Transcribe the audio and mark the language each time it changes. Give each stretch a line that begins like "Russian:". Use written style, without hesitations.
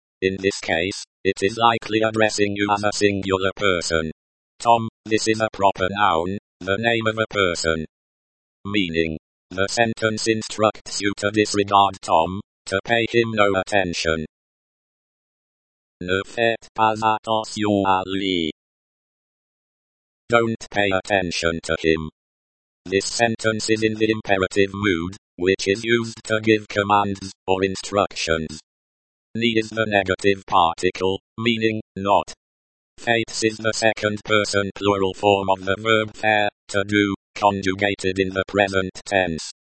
English: In this case, it is likely addressing you as a singular person. Tom, this is a proper noun, the name of a person. Meaning, the sentence instructs you to disregard Tom, to pay him no attention.
French: Ne faites pas attention à lui.
English: Don't pay attention to him. This sentence is in the imperative mood, which is used to give commands or instructions. Ne is the negative particle, meaning not. Faites is the second person plural form of the verb faire, to do, conjugated in the present tense.